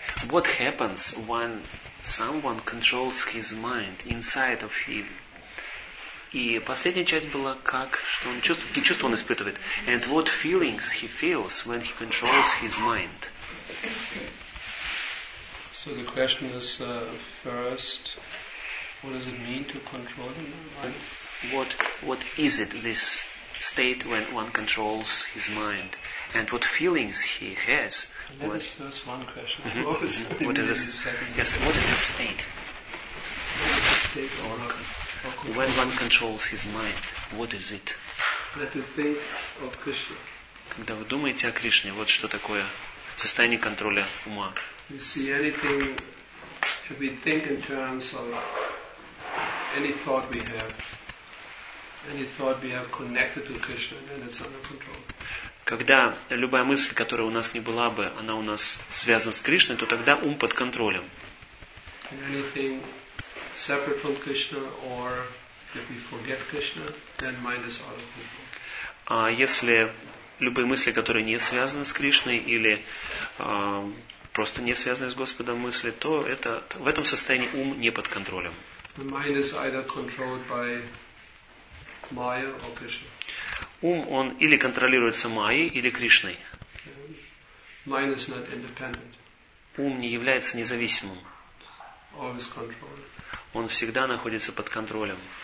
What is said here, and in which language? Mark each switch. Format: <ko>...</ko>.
<en>What happens when someone controls his mind inside of him?</en> <ru>И последняя часть была, как, что он чувствует, какие чувства он испытывает.</ru> <en>And what feelings he feels when he controls his mind. So the question is, first, what does it mean to control the mind? What is it, this state when one controls his mind? And what feelings he has? That is first one question. Mm-hmm. What is this? Yes, what is the state? What is the state or not? When one controls his mind, what is it? That you think of Krishna.</en> <ru>Когда вы думаете о Кришне, вот что такое состояние контроля ума.</ru> <en>You see anything, if we think in terms of any thought we have connected to Krishna, then it's under control.</en> <ru>Когда любая мысль, которая у нас не была бы, она у нас связана с Кришной, то тогда ум под контролем.</ru> <en>Anything separate from Krishna, or if we forget Krishna, then mind is out of control.</en> <ru>Если любые мысли, которые не связаны с Кришной, или просто не связаны с Господом мысли, то это в этом состоянии ум не под контролем.</ru> <en>The mind is either controlled by Maya or Krishna.</en> <ru>Ум, он или контролируется Майей, или Кришной.</ru> <en>Mind is not independent.</en> <ru>Ум не является независимым.</ru> <en>Always controlled.</en> <ru>Он всегда находится под контролем.</ru>